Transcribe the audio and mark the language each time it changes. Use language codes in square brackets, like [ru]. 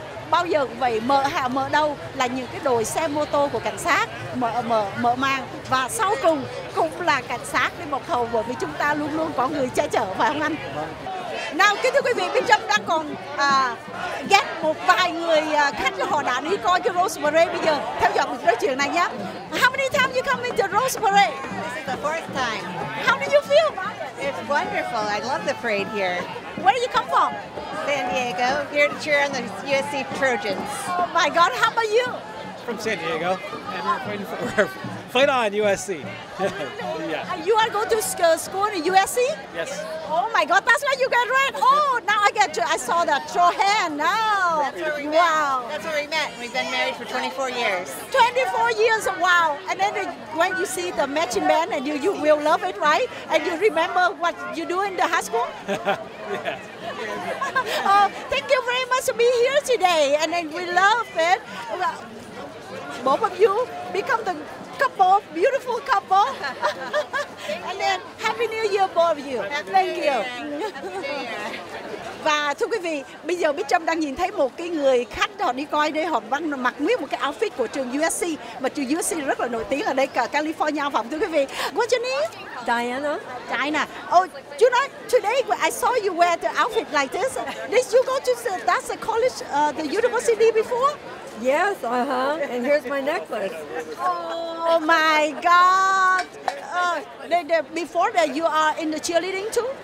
[vi] Bao giờ vậy, mở đầu là những cái đội xe mô tô của cảnh sát mở màn, và sau cùng cũng là cảnh sát đi một hầu, bởi vì chúng ta luôn luôn có người che chở, phải không anh? Nào kính thưa quý vị, bên trong đang còn ghét một vài người khách cho họ đã đi coi cho Rose Parade. Bây giờ theo dõi một nói chuyện này nhé. [en] How many times you come into Rose Parade? This is the fourth time. How do you feel? It's wonderful. I love the parade here. Where do you come from? San Diego. Here to cheer on the USC Trojans. Oh my God, how about you? From San Diego. And we're playing on USC. Yeah. And you are going to school in USC? Yes. Oh my God, that's where you get right. Oh, now I get to. I saw that Trojan. Now. That's where we met. Wow. That's where we met. We've been married for 24 years. 24 years. Wow. And then when you see the matching band, and you will love it, right? And you remember what you do in the high school? Yeah. Thank you very much to be here today, and then we love it. Both of you become the couple, beautiful couple. And then Happy New Year both of you. Thank you. [vi] Và thưa quý vị, bây giờ Bích Trâm đang nhìn thấy một cái người khách họ đi coi đây, họ mặc nguyên một cái outfit của trường USC, mà trường USC rất là nổi tiếng ở đây cả California, phải không thưa quý vị? [en] What's your name? Diana. Diana. Oh, you know, today I saw you wear the outfit like this. Did you go to that's the college, the university before? Yes, uh-huh. And here's my necklace. Oh my God. Before that, you are in the cheerleading too?